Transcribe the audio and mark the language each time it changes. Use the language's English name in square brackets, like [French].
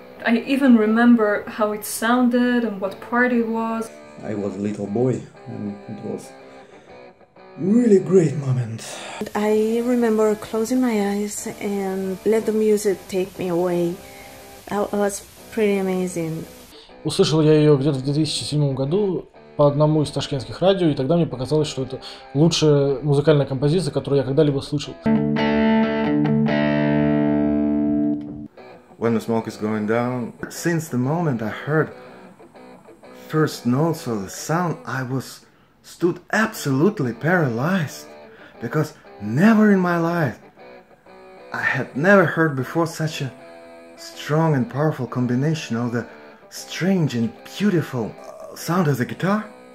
[English] I even remember how it sounded and what part it was. I was a little boy and it was really great moment. I remember closing my eyes and let the music take me away. It was pretty amazing. [Russian] Услышал я ее где-то в 2007 году по одному из ташкентских радио, и тогда мне показалось, что это лучшая музыкальная композиция, которую я когда-либо слышал. [English] When the smoke is going down, since the moment I heard first notes of the sound, I was stood absolutely paralyzed, because never in my life I had never heard before such a strong and powerful combination of the strange and beautiful sound of the guitar.